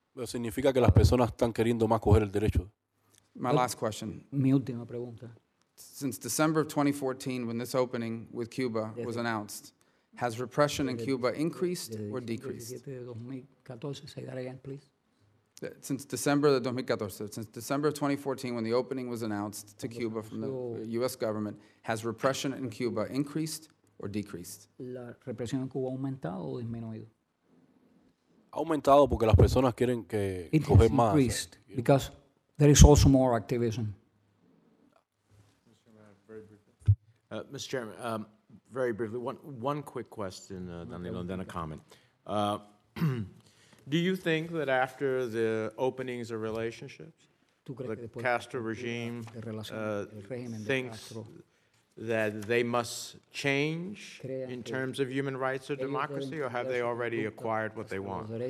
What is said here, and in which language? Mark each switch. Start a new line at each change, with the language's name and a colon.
Spanish: Significa que las personas están queriendo más coger el derecho.
English: My last question.
Spanish: Mi última pregunta.
English: Since December of 2014, when this opening with Cuba was announced, has repression in Cuba increased or decreased? Say that again, please. Since December of 2014, when the opening was announced to Cuba from the U.S. government, has repression in Cuba increased or decreased?
Spanish: La represión en Cuba ha aumentado o disminuido? Ha aumentado porque las personas quieren que coger más.
English: It increased because there is also more activism. Mr. Chairman, very briefly, one quick question, Danilo, and then a comment. do you think that after the openings of relationships, the Castro regime thinks that they must change in terms of human rights or democracy, or have they already acquired what they want?